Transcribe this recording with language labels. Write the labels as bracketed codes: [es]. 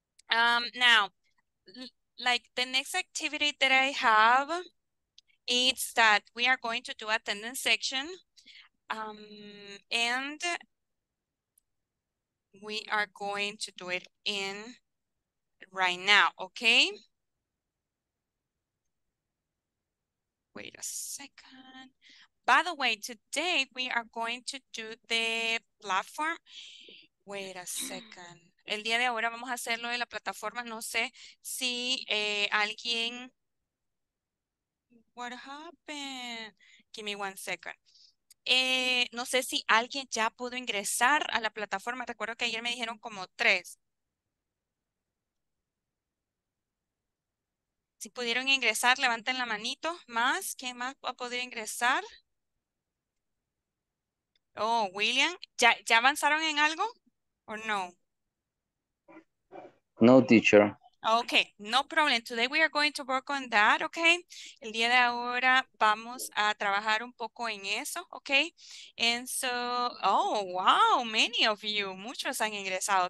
[en] Now, like the next activity that I have, it's that we are going to do attendance section, and we are going to do it in right now, okay? Wait a second. By the way, today we are going to do the platform. Wait a second. [es] El día de ahora vamos a hacerlo de la plataforma. No sé si alguien... [en] What happened? Give me one second. [es] No sé si alguien ya pudo ingresar a la plataforma. Recuerdo que ayer me dijeron como tres. Si pudieron ingresar, levanten la manito. ¿Más? ¿Quién más va a poder ingresar? Oh, William. ¿Ya avanzaron en algo? ¿O no? [en] No, teacher. Okay, no problem. Today we are going to work on that, okay? [es] El día de ahora vamos a trabajar un poco en eso, okay? [en] And so, oh, wow, many of you, [es] muchos han ingresado.